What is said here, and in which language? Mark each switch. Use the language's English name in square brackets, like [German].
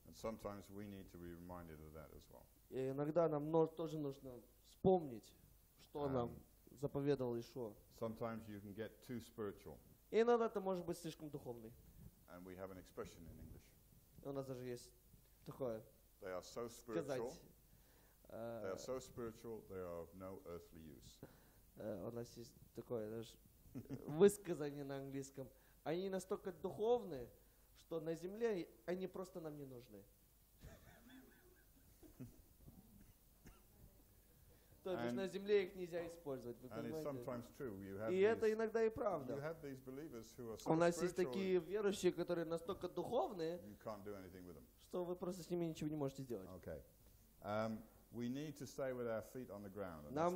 [English] And sometimes we need to be reminded of that as well. [Russian] И иногда нам тоже нужно вспомнить, что нам заповедовал Иешуа. [English] Sometimes you can get too spiritual. [Russian] И иногда ты можешь быть слишком духовный. [English] And we have an expression in English. [Russian] И у нас даже есть такое. [English] They are so spiritual. They are so spiritual. They are of no earthly use. [Russian] У нас есть такое даже высказание на английском. Они настолько духовные, что на земле они просто нам не нужны. То есть на земле их нельзя использовать. Вы понимаете? И это иногда и правда. У нас есть такие верующие, которые настолько духовные, что вы просто с ними ничего не можете сделать. [English] Okay. We need to stay with our feet on the ground.